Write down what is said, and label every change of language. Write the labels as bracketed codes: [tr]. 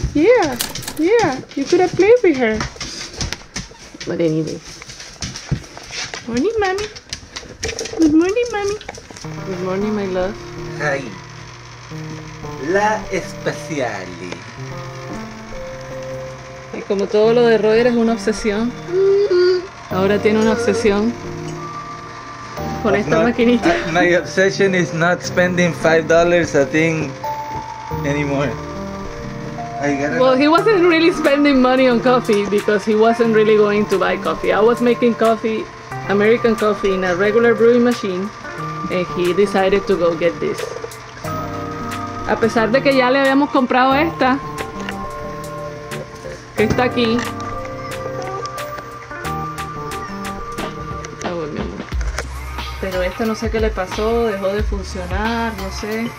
[en] Yeah, yeah. You could have played with her. But anyway. Morning, mommy. Good morning, mommy. Good morning, my love. [es] Hi. La especial. Y como todo lo de Roger es una obsesión, ahora tiene una obsesión con esta maquinita. [en] My obsession is not spending $5 a thing anymore. Well, he wasn't really spending money on coffee because he wasn't really going to buy coffee. I was making coffee, American coffee, in a regular brewing machine, and he decided to go get this. [es] A pesar de que ya le habíamos comprado esta, que está aquí. Ah, bueno, mi amor. Pero esta no sé qué le pasó, dejó de funcionar, no sé.